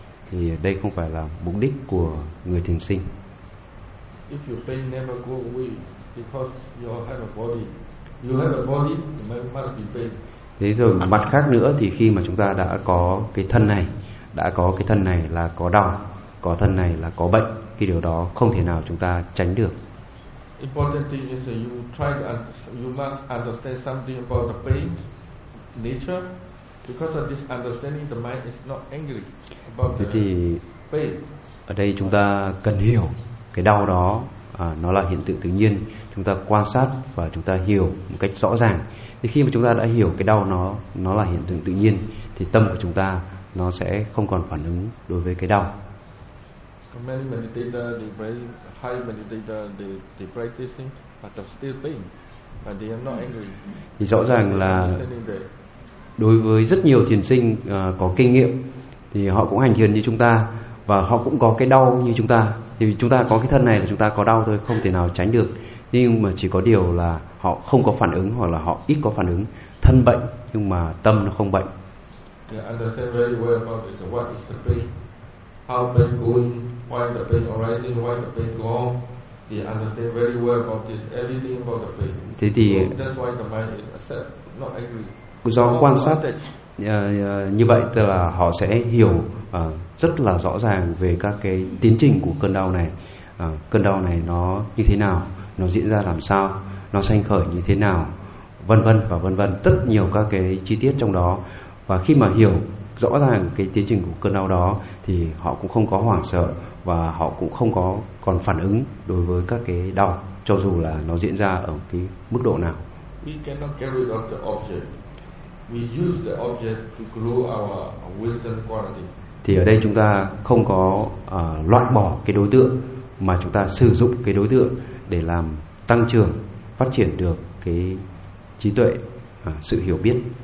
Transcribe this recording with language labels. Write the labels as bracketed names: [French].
[Vietnamese] Thì đây không phải là mục đích của người thiền sinh. [English] If your pain never go away because you have a body, you have a body, you must be pain. [Vietnamese] Thế rồi mặt khác nữa thì khi mà chúng ta đã có cái thân này là có đau, có thân này là có bệnh, thì điều đó không thể nào chúng ta tránh được. [English] Important thing is that you must understand something about the pain nature, because of this understanding the mind is not angry about the pain. [Vietnamese] Ở đây chúng ta cần hiểu cái đau đó nó là hiện tượng tự nhiên, chúng ta quan sát và chúng ta hiểu một cách rõ ràng. Thì khi mà chúng ta đã hiểu cái đau nó là hiện tượng tự nhiên, thì tâm của chúng ta nó sẽ không còn phản ứng đối với cái đau. [English] Many meditators, they very high meditators, they practicing, but they're still pain, but they are not angry. [Vietnamese] Thì rõ ràng là đối với rất nhiều thiền sinh có kinh nghiệm, thì họ cũng hành thiền như chúng ta và họ cũng có cái đau như chúng ta. Thì chúng ta có cái thân này là chúng ta có đau thôi, không thể nào tránh được. Nhưng mà chỉ có điều là họ không có phản ứng hoặc là họ ít có phản ứng. Thân bệnh nhưng mà tâm nó không bệnh. [English] They understand very well about this. What is the pain? How pain going? Why the pain arising? Why the pain gone? They understand very well about this. Everything about the pain. [Vietnamese] Thế thì [English] so that's why the mind is accept, not angry. [Vietnamese] Do quan sát như vậy tức là họ sẽ hiểu rất là rõ ràng về các cái tiến trình của cơn đau này. Cơn đau này nó như thế nào, nó diễn ra làm sao, nó sanh khởi như thế nào, vân vân và vân vân, rất nhiều các cái chi tiết trong đó. Và khi mà hiểu rõ ràng cái tiến trình của cơn đau đó thì họ cũng không có hoảng sợ và họ cũng không có còn phản ứng đối với các cái đau, cho dù là nó diễn ra ở cái mức độ nào. [English] We cannot get rid of the object. We use the object to grow our wisdom quality. [Vietnamese] Thì ở đây chúng ta không có loại bỏ cái đối tượng, mà chúng ta sử dụng cái đối tượng để làm tăng trưởng, phát triển được cái trí tuệ, sự hiểu biết.